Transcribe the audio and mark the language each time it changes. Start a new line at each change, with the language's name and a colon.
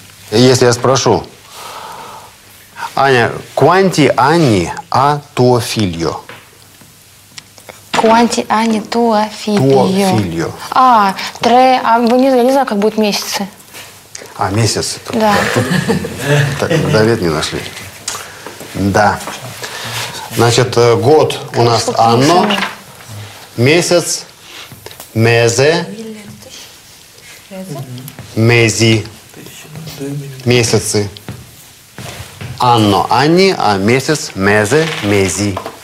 Russian: Если я спрошу,
Italian: Аня, quanti anni ha tuo figlio? Quanti anni tuo figlio? Tuo figlio.
Russian: А, tre, а я не знаю, как будет месяцы. А, месяц? Да. Завет не нашли. Да. Значит, год у нас anno, месяц, mese, mesi. Месяцы.
Italian: Anno, anni,
Russian: а месяц,
Italian: mese, mesi.